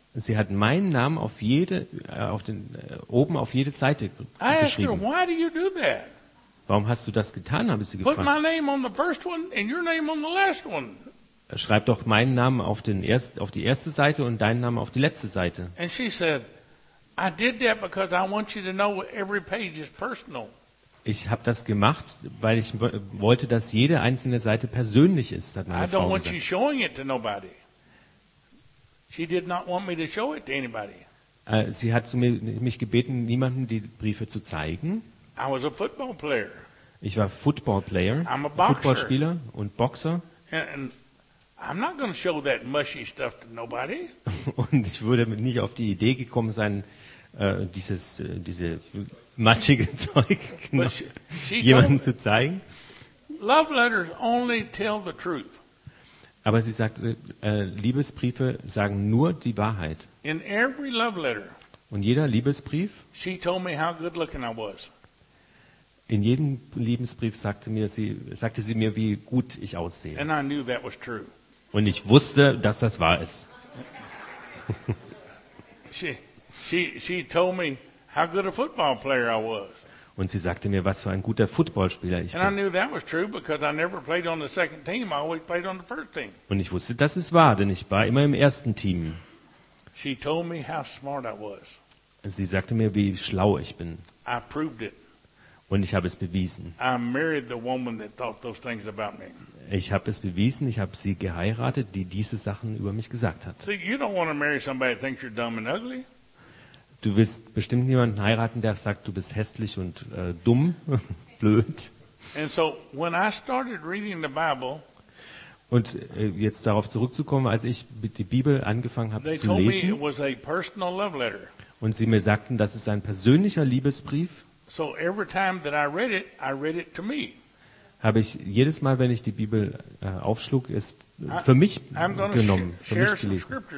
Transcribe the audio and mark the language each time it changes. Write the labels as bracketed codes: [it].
[de] Sie hat meinen Namen oben auf jede Seite geschrieben. [en] I asked her, why do you do that? [de] Warum hast du das getan, habe ich sie [en] put [de] gefragt. [en] My name on the first one and your name on the last one. [de] Schreib doch meinen Namen auf die erste Seite und deinen Namen auf die letzte Seite. [en] And she said, I did that because I want you to know every page is personal. [de] Ich habe das gemacht, weil ich wollte, dass jede einzelne Seite persönlich ist, hat meine Frau gesagt. [en] I don't want you showing it to nobody. She did not want me to show it to anybody. [de] Sie hat mich gebeten, niemanden die Briefe zu zeigen. [en] I was a football player. [de] Ich war Football Player. [en] I'm a boxer. [de] Footballspieler und Boxer. [en] And I'm not going to show that mushy stuff to nobody. [de] Und ich würde nicht auf die Idee gekommen sein, diese matschige Zeug jemandem zu zeigen. [en] Love letters only tell the truth. [de] Aber sie sagte, Liebesbriefe sagen nur die Wahrheit. [en] In every love letter. [de] Und jeder Liebesbrief. [en] She told me how good looking I was. [de] In jedem Liebesbrief sagte sie mir, wie gut ich aussehe. [en] And I knew that was true. [de] Und ich wusste, dass das wahr ist. [en] She told me how good a football player I was. [de] Und sie sagte mir, was für ein guter Footballspieler ich bin. [en] And I knew that was true because I never played on the second team. I always played on the first team. [de] Und ich wusste, das ist wahr, denn ich war immer im ersten Team. [en] She told me how smart I was. [de] Sie sagte mir, wie schlau ich bin. [en] I proved it. [de] Und ich habe es bewiesen. [en] I married the woman that thought those things about me. [de] Ich habe es bewiesen, ich habe sie geheiratet, die diese Sachen über mich gesagt hat. Du willst bestimmt niemanden heiraten, der sagt, du bist hässlich und dumm, blöd. [en] And so when I started reading the Bible, [de] und jetzt darauf zurückzukommen, als ich die Bibel angefangen habe zu lesen, [en] it was a personal love letter. [de] Und sie mir sagten, das ist ein persönlicher Liebesbrief, [en] so every time that I read it to me. [de] Habe ich jedes Mal, wenn ich die Bibel aufschlug, es für mich genommen, für mich gelesen.